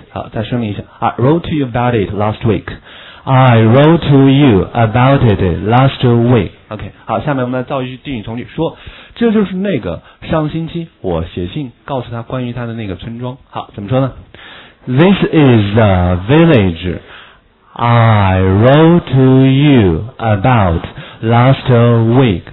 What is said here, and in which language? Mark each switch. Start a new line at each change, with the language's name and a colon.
Chinese: 好，再声明一下，
English: I wrote to you about it last week. I wrote to you about it last week.
Chinese: OK, 好，下面我们来造一句定语从句，说这就是那个上星期我写信告诉他关于他的那个村庄。好，怎么说呢？
English: This is the village I wrote to you about last week.